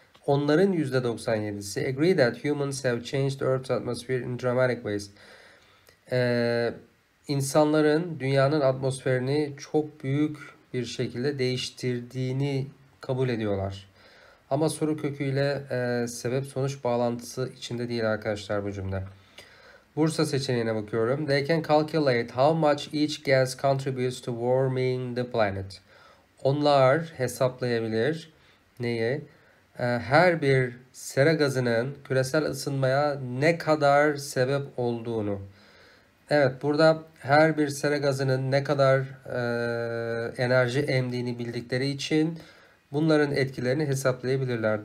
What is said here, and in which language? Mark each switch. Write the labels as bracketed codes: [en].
[tr] Onların %97'si [en] agree that humans have changed Earth's atmosphere in dramatic ways. [tr] İnsanların dünyanın atmosferini çok büyük bir şekilde değiştirdiğini kabul ediyorlar. Ama soru köküyle sebep sonuç bağlantısı içinde değil arkadaşlar bu cümle. Bursa seçeneğine bakıyorum. [en] They can calculate how much each gas contributes to warming the planet. [tr] Onlar hesaplayabilir neyi? Her bir sera gazının küresel ısınmaya ne kadar sebep olduğunu. Evet, burada her bir sera gazının ne kadar enerji emdiğini bildikleri için bunların etkilerini hesaplayabilirler.